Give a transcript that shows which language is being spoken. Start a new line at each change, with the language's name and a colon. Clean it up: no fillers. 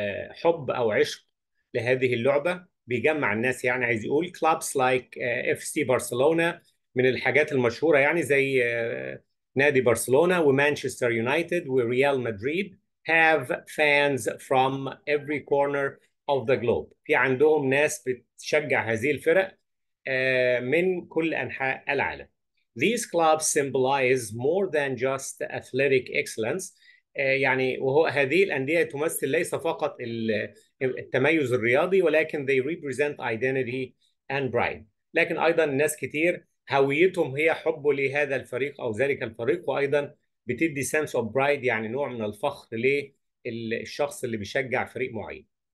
Arabic: حب أو عشق لهذه اللعبة بيجمع الناس يعني عايز يقول
English: clubs like FC Barcelona
Arabic: من الحاجات المشهورة يعني زي نادي برشلونة ومانشستر يونايتد وريال مدريد
English: have fans from every corner of the globe.
Arabic: في عندهم ناس بتشجع هذه الفرق من كل أنحاء العالم.
English: These clubs symbolize more than just athletic excellence.
Arabic: يعني وهو هذه الأندية تمثل ليس فقط التميز الرياضي ولكن
English: they represent identity and pride.
Arabic: لكن أيضا ناس كتير هويتهم هي حب لهذا الفريق أو ذلك الفريق وأيضا بتدي
English: sense of pride
Arabic: يعني نوع من الفخر للشخص اللي بيشجع فريق معين.